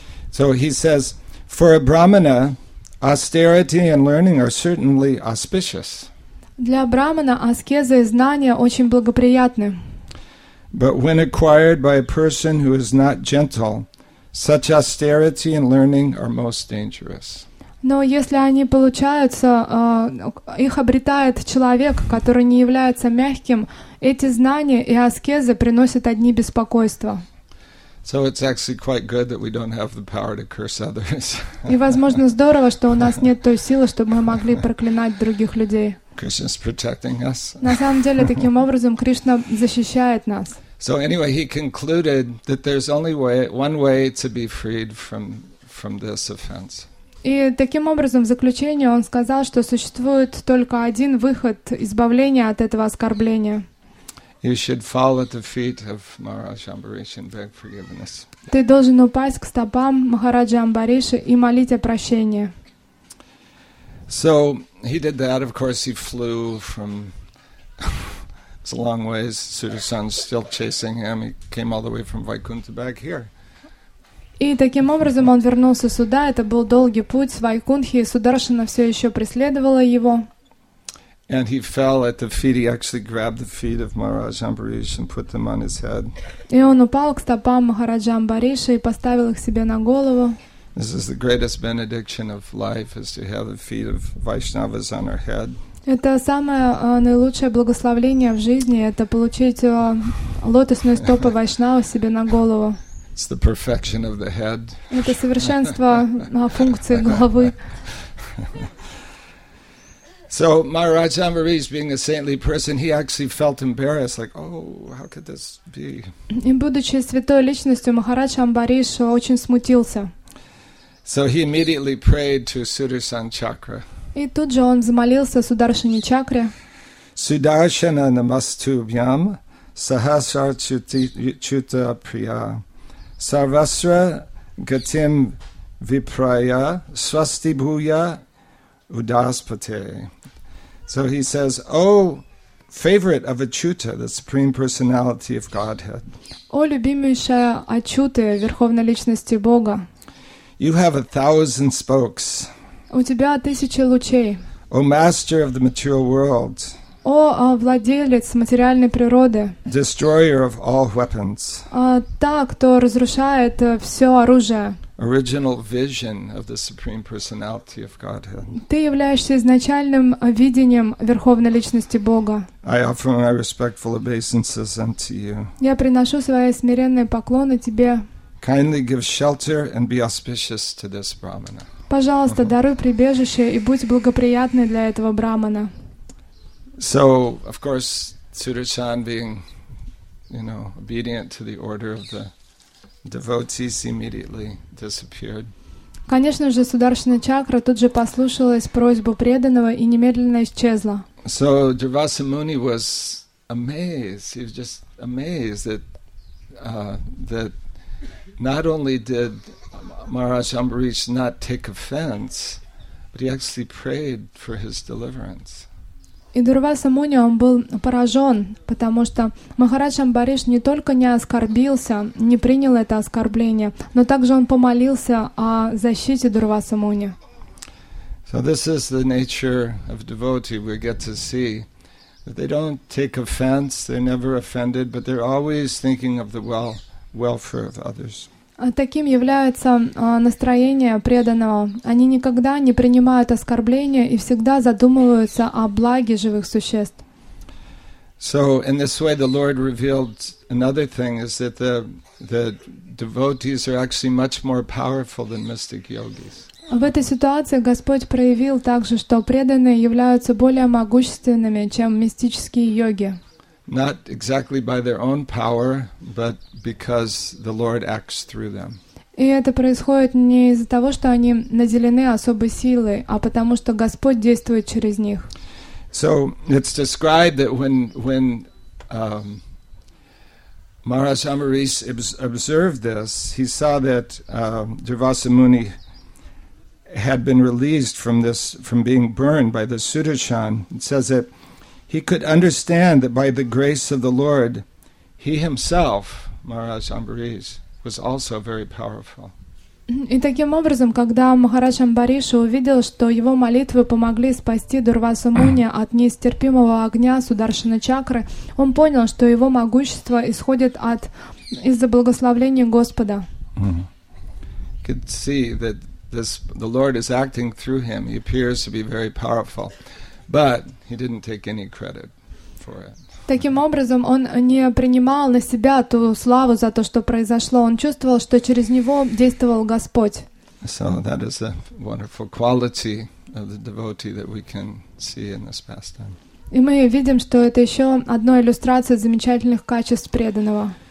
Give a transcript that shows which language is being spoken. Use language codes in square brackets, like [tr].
[en] So he says, for a brahmana, austerity and learning are certainly auspicious. [ru] Для брахмана аскеза и знания очень благоприятны. [en] But when acquired by a person who is not gentle, such austerity and learning are most dangerous. [ru] Но если они получаются, их обретает человек, который не является мягким, эти знания и аскезы приносят одни беспокойства. [en] So it's actually quite good that we don't have the power to curse others. [ru] И возможно здорово, что у нас нет той силы, чтобы мы могли проклинать других людей. [en] Krishna's protecting us. [ru] На самом деле таким образом Кришна защищает нас. [en] So anyway, he concluded that there's only one way to be freed from this offense. [ru] И таким образом, в заключение, он сказал, что существует только один выход избавления от этого оскорбления. [en] You should fall at the feet of Maharaj Ambarish and beg forgiveness. [ru] Ты должен упасть к стопам Махараджи Амбариши и молить о прощении. [en] So he did that. Of course, he flew from it's a long ways. Sudarshan's still chasing him. He came all the way from Vaikuntha back here. [ru] И таким образом он вернулся сюда. Это был долгий путь с Вайкунтхи, и Сударшана все еще преследовала его. [en] And he fell at the feet. He actually grabbed the feet of Maharaj Ambarish and put them on his head. [ru] И он упал к стопам Махараджа Амбариша и поставил их себе на голову. [en] This is the greatest benediction of life, is to have the feet of Vaishnavas on our head. [ru] Это самое наилучшее благословение в жизни – это получить лотосные стопы Вайшнава себе на голову. [en] It's the perfection of the head. [ru] Это совершенство функции головы. [en] So Maharaj Amarish, being a saintly person, he actually felt embarrassed, like, oh, how could this be? [ru] И будучи святой личностью, Махарадж Амбариш очень смутился. [en] So he immediately prayed to Sudarshan Chakra. [ru] И тут же он замолился Сударшане Чакре. [sa] Sudarshana Namastubhyam Sahasrar Chuta Priya Sarvasra Gatim Vipraya Swasti Bhuya Udaspate. [en] So he says, O favorite of Achyuta, the Supreme Personality of Godhead. [ru] О любимейшая Ачюта, Верховной Личности Бога. [en] You have 1,000 spokes. [ru] У тебя 1,000 лучей. [en] O master of the material world. [ru] О владелец материальной природы. [en] Destroyer of all weapons. [ru] Та, кто разрушает все оружие. [en] Original vision of the Supreme Personality of Godhead. [ru] Ты являешься изначальным видением Верховной Личности Бога. [en] I offer my respectful obeisances unto you. [ru] Я приношу свои смиренные поклоны тебе. [en] Kindly give shelter and be auspicious to this brahmana. [ru] Пожалуйста, даруй прибежище и будь благоприятный для этого брахмана. [en] So, of course, Sudarshan, being, you know, obedient to the order of the devotees, immediately disappeared. [ru] Конечно же, Сударшана Чакра тут же послушалась просьбу преданного и немедленно исчезла. [en] So Durvasa Muni was amazed. He was just amazed that that not only did Maharaj Ambarish not take offense, but he actually prayed for his deliverance. [ru] И Дурваса Муни, он был поражен, потому что Махарадж Амбариш не только не оскорбился, не принял это оскорбление, но также он помолился о защите Дурваса Муни. [en] So this is the nature of devotee. We get to see that they don't take offense, they're never offended, but they're always thinking of the welfare of others. [ru] Таким является настроение преданного. Они никогда не принимают оскорбления и всегда задумываются о благе живых существ. [en] So in this way, the Lord revealed another thing: is that the devotees are actually much more powerful than mystic yogis. [ru] В этой ситуации Господь проявил также, что преданные являются более могущественными, чем мистические йоги. [en] Not exactly by their own power, but because the Lord acts through them. [ru] И это происходит не из-за того, что они наделены особой силой, а потому что Господь действует через них. [en] So it's described that when Maharaj Amarish observed this, he saw that Durvasa Muni had been released from this, from being burned by the Sudarshan. It says that he could understand that by the grace of the Lord, he himself, Maharaj Amarish, was also very powerful. [ru] И таким образом, когда Махарадж Амбариш увидел, что его молитвы помогли спасти Дурвасу Муни от нестерпимого огня Сударшана Чакры, он понял, что его могущество исходит от из-за благословения Господа. [en] You could see that this the Lord is acting through him. He appears to be very powerful. But he didn't take any credit for it. [ru] Таким образом, он не принимал на себя ту славу за то, что произошло. Он чувствовал, что через него действовал Господь. [en] So that is a wonderful quality of the devotee that we can see in this pastime. [ru] И мы видим, что это еще одна иллюстрация замечательных качеств преданного.